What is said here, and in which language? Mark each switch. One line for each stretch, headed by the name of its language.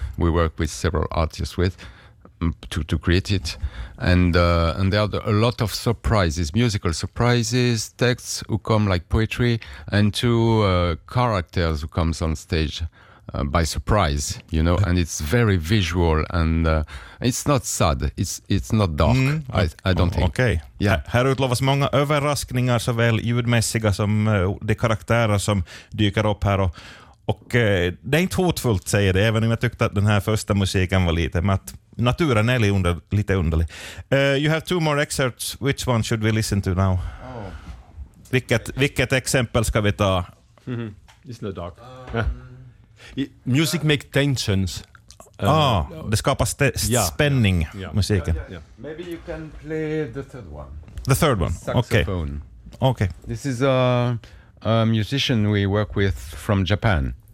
English: We work with several artists to create it, and there are a lot of surprises, musical surprises, texts who come like poetry, and two characters who comes on stage by surprise. You know, and it's very visual, and it's not sad. It's not dark. Mm. I don't think. Okay.
Swedish: Ja, här utlovas många överraskningar, såväl ljudmässiga som de karaktärer som dyker upp här. Och det är inte hotfullt, säger det, även om jag tyckte att den här första musiken var lite, men att naturen är lite underlig.
English: You have two more excerpts. Which one should we listen to now? Oh.
Swedish: Vilket exempel ska vi ta?
English: Mm-hmm. It's not dark. Music makes tensions.
Swedish: Det skapar spänning, musiken.
English: Maybe you can play the third one. The third one, saxophone. Okay. This is a musician we work with from Japan.